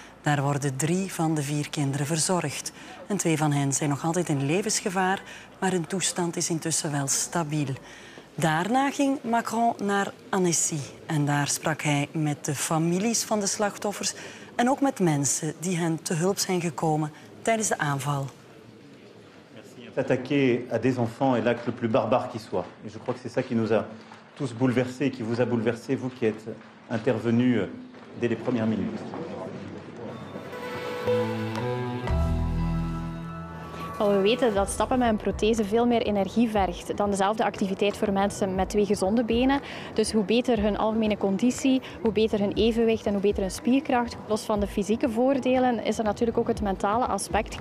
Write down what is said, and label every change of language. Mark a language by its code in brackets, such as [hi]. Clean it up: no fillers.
[nl] Daar worden 3 van de 4 kinderen verzorgd. En 2 van hen zijn nog altijd in levensgevaar, maar hun toestand is intussen wel stabiel. Daarna ging Macron naar Annecy. En daar sprak hij met de families van de slachtoffers en ook met mensen die hen te hulp zijn gekomen tijdens de aanval. [fr] S'attaquer à des enfants est l'acte le plus barbare qui soit. Et je crois que c'est ça qui nous a tous bouleversés, qui vous a bouleversé, vous qui êtes intervenu dès les premières minutes. [nl] We weten dat stappen met een prothese veel meer energie vergt dan dezelfde activiteit voor mensen met 2 gezonde benen. Dus hoe beter hun algemene conditie, hoe beter hun evenwicht en hoe beter hun spierkracht. Los van de fysieke voordelen is er natuurlijk ook het mentale aspect.